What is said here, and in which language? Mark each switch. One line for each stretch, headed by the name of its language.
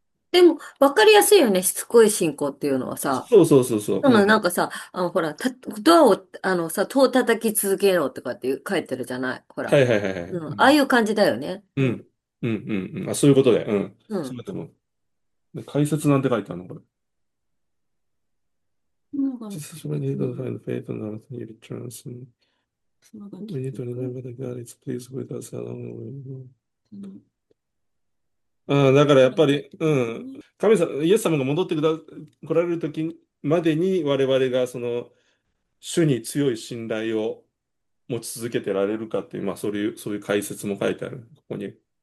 Japanese: でも、わかりやすいよね、しつこい信仰っていうのはさ。そうそうそうそう。でも、なんかさ、ほら、ドアを、戸を叩き続けろとかって書いてるじゃない、ほら。ああいう感じだよね。あ、そういうことで。そうやっても。で、解説なんて書いてあるの、これ。
English: Jesus really does find faith on earth and he returns and we need to remember that God is pleased with us along the way.
Japanese: だからやっぱり、神様、イエス様が戻ってくだ、来られる時までに我々がその主に強い信頼を持ち続けてられるかっていう、まあそういう解説も書いてある、ここに。